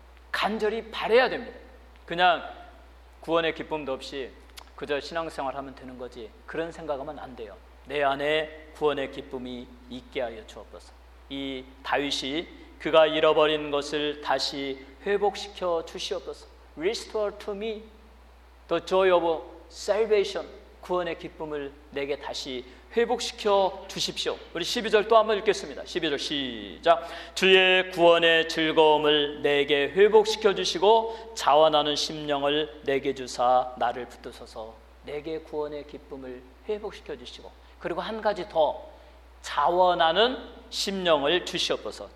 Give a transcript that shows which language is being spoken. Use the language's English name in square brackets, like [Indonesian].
[Korean] 간절히 바래야 됩니다. 그냥 구원의 기쁨도 없이 그저 신앙생활하면 되는 거지 그런 생각하면 안 돼요. 내 안에 구원의 기쁨이 있게 하여 주옵소서. 이 다윗이 그가 잃어버린 것을 다시 회복시켜 주시옵소서. [English] Restore to me the joy of salvation. [Korean] 구원의 기쁨을 내게 다시 회복시켜 주십시오. 우리 12절 또 한번 읽겠습니다. 12절 시작. 주의 구원의 즐거움을 내게 회복시켜 주시고 자원하는 심령을 내게 주사 나를 붙드소서. 내게 구원의 기쁨을 회복시켜 주시고 그리고 한 가지 더 자원하는 심령을 주시옵소서.